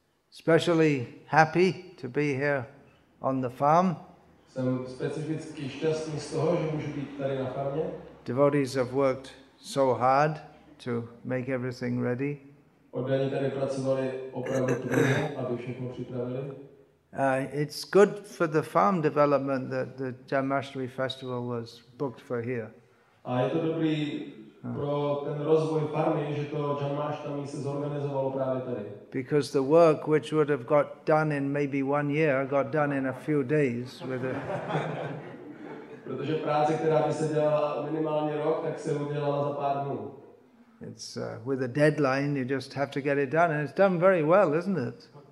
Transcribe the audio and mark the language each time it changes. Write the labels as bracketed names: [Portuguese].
[English] Especially happy to be here on the farm. [Czech] Jsem specificky šťastný z toho, že můžu být tady na farmě. [English] Devotees have worked so hard. to make everything ready. [Czech] Oddaně tady pracovali opravdu tu dobu, aby všechno připravili. [English] It's good for the farm development that the Janmashtami festival was booked for here. [Czech] A je to dobrý pro ten rozvoj farmy, že to Janmashtami se zorganizovalo právě tady. [English] Because the work which would have got done in maybe one year got done in a few days with it. [Czech] Protože práce, která by se dělala minimálně rok, tak se udělala za pár dnů. [English] It's with a deadline, you just have to get it done, and it's done very well, isn't it?